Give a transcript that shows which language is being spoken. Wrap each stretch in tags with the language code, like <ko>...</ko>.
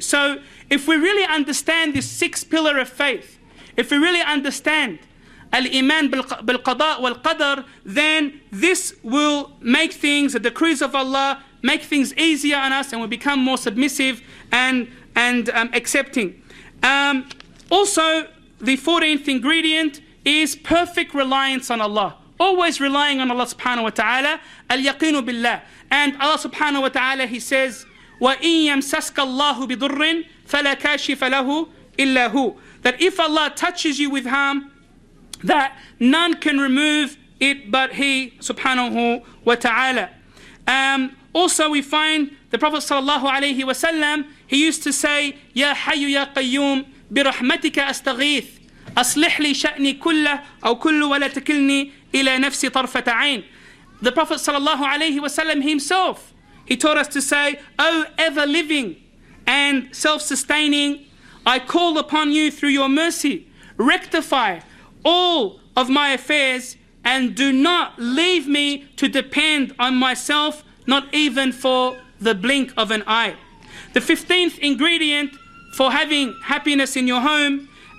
<en>So if we really understand this sixth pillar of faith, if we really understand al-iman bil-qada wal-qadr, then this will make things, the decrees of Allah, make things easier on us, and we become more submissive and accepting. Also, the 14th ingredient is perfect reliance on Allah. Always relying on Allah subhanahu wa ta'ala,</en> <ar>al-yaqinu billah. And Allah subhanahu wa ta'ala, he says, وَإِن يَمْسَسْكَ اللَّهُ بِضُرٍ فَلَا كَاشِفَ لَهُ إِلَّا هُ.</ar> <en>That if Allah touches you with harm, that none can remove it but He subhanahu wa ta'ala.</en> <ar>Also we find the Prophet sallallahu alayhi wa sallam, he used to say, يَا حَيُّ يَا قَيُّومُ بِرَحْمَتِكَ أَسْتَغِيثُ أَصْلِحْ لِي شَأْنِي كُلَّهُ أَوْ كُلُّ وَلَا تَكِلْنِي إِلَى نَفْسِ طَرْفَةَ عَيْنِ.</ar> <en>The Prophet sallallahu alayhi wa sallam himself, he taught us to say, O ever living and self-sustaining, I call upon you through your mercy, rectify all of my affairs and do not leave me to depend on myself, not even for the blink of an eye. The 15th ingredient for having happiness in your home</en>